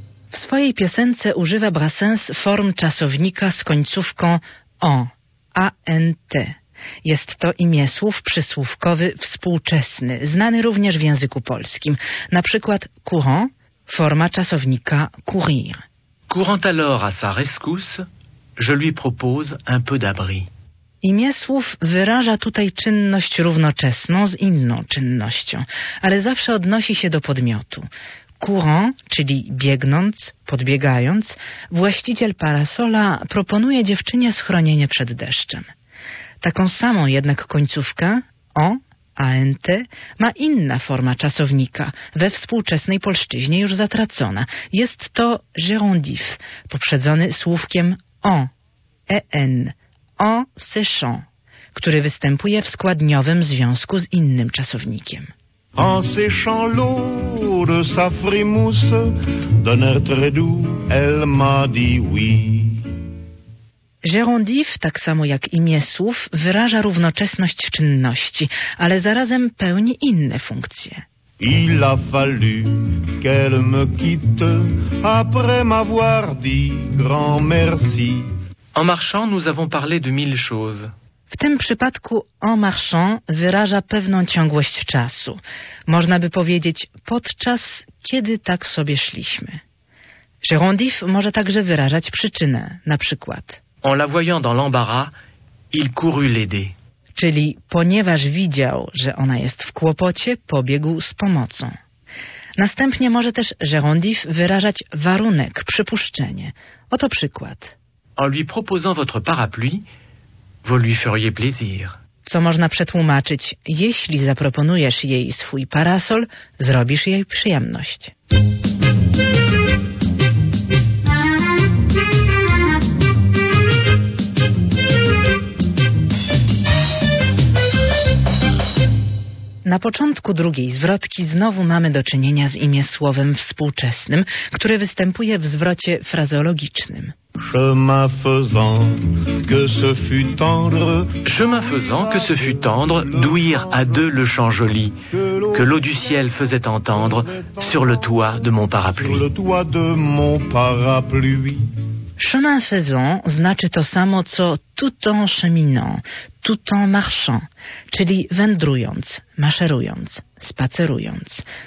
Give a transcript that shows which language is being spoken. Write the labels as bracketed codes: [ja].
[pl] W swojej piosence używa Brassens form czasownika z końcówką en, ant. Jest to imię słów przysłówkowy współczesny, znany również w języku polskim. Na przykład courant, forma czasownika courir. [fr] Courant alors à sa rescousse, je lui propose un peu d'abri. [pl] Imię słów wyraża tutaj czynność równoczesną z inną czynnością, ale zawsze odnosi się do podmiotu. Courant, czyli biegnąc, podbiegając, właściciel parasola proponuje dziewczynie schronienie przed deszczem. Taką samą jednak końcówkę, en, ant, ma inna forma czasownika, we współczesnej polszczyźnie już zatracona. Jest to gérondif, poprzedzony słówkiem [fr] en, en, en séchant, [pl] który występuje w składniowym związku z innym czasownikiem. [fr] En séchant l'eau de sa frimousse, d'un air très doux, elle m'a dit oui. [pl] Gérondif, tak samo jak imię słów, wyraża równoczesność czynności, ale zarazem pełni inne funkcje. [fr] Il a fallu qu'elle me quitte, après m'avoir dit grand merci. En marchant, nous avons parlé de mille choses. [pl] W tym przypadku en marchant wyraża pewną ciągłość czasu. Można by powiedzieć podczas, kiedy tak sobie szliśmy. Gérondif może także wyrażać przyczynę, na przykład. [fr] En la voyant dans l'embarras, il courut l'aider. [pl] Czyli ponieważ widział, że ona jest w kłopocie, pobiegł z pomocą. Następnie może też gérondif wyrażać warunek, przypuszczenie. Oto przykład. [fr] En lui proposant votre parapluie, vous lui feriez plaisir. [pl] Co można przetłumaczyć, jeśli zaproponujesz jej swój parasol, zrobisz jej przyjemność. Na początku drugiej zwrotki znowu mamy do czynienia z imię słowem współczesnym, które występuje w zwrocie frazeologicznym. [fr] Chemin faisant que ce fut tendre. Chemin faisant que ce fut tendre, d'ouïr à deux le chant joli que l'eau du ciel faisait entendre sur le toit de mon parapluie. Sur le toit de mon parapluie. [pl] Chemin faisant znaczy to samo co [fr] tout en cheminant, tout en marchant, [pl] czyli wędrując, maszerując, spacerując.